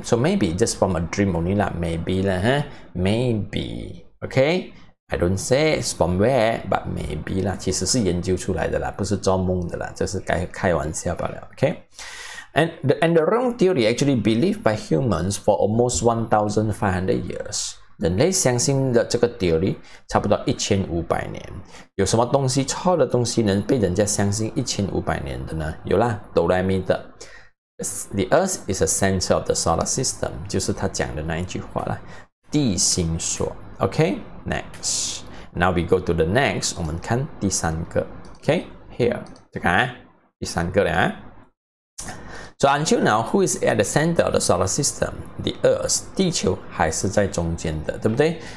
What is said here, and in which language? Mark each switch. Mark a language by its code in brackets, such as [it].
[en] So maybe just from a dream only, like, maybe, huh? Maybe, okay? I don't say it's from where, but maybe [zh] 啦，其实是研究出来的啦，不是做梦的啦，这是该开玩笑罢了。 [en] Okay, and the wrong theory actually believed by humans for almost 1,500 years. [zh] 人类相信的这个 theory 差不多1500年。有什么东西错的东西能被人家相信1500年的呢？有啦，哆来咪的。 The Earth is the center of the solar system，就是他讲的那一句话啦，地心说。 [en] Okay, next. Now we go to the next. [zh] 我们看第三个. [en] Okay, here. [zh] 这个啊，第三个了啊。 [en] So until now, who is at the center of the solar system? The Earth. [zh] 地球还是在中间的，对不对？